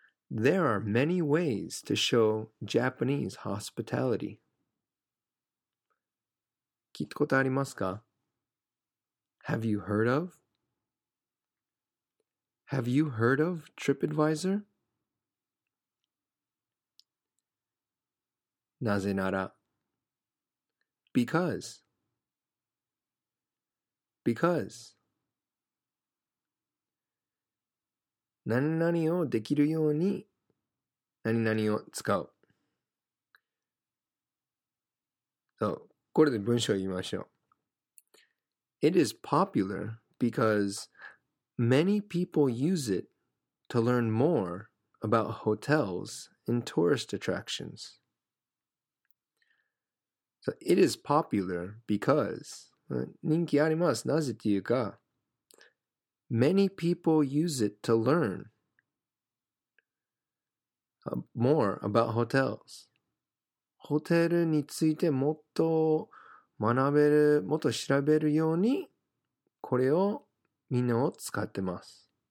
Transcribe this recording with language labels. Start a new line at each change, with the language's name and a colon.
English: There are many ways to show Japanese hospitality.
Japanese: 聞いたことありますか?
English: Have you heard of? Have you heard of TripAdvisor?
Japanese: なぜなら?
English: Because. Because.
Japanese: 何々をできるように何々を使う。 So, これで文章を言いましょう。
English: It is popular because many people use it to learn more about hotels and tourist attractions. So, it is popular because
Japanese: 人気あります。なぜというか。
English: Many people use it to learn more about hotels.
Japanese: ホテルについてもっと学べる、もっと調べるようにこれをみんなを使ってます。